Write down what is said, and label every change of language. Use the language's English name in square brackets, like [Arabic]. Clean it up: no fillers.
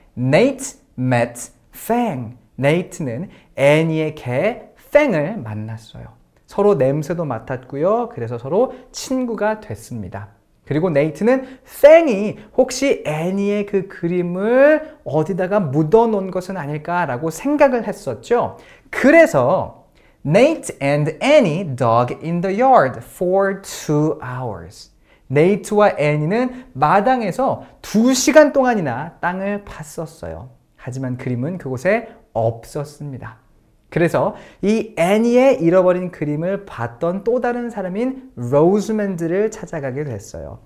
[English] Nate met Fang. [Korean] 네이트는 애니의 개 Fang을 만났어요. 서로 냄새도 맡았고요. 그래서 서로 친구가 됐습니다. 그리고 네이트는 Fang이 혹시 애니의 그 그림을 어디다가 묻어놓은 것은 아닐까라고 생각을 했었죠. 그래서 [English] Nate and Annie dug in the yard for 2 hours. [Korean] 네이트와 애니는 마당에서 2시간 동안이나 땅을 팠었어요. 하지만 그림은 그곳에 없었습니다. 그래서 이 애니의 잃어버린 그림을 봤던 또 다른 사람인 로즈맨드를 찾아가게 됐어요.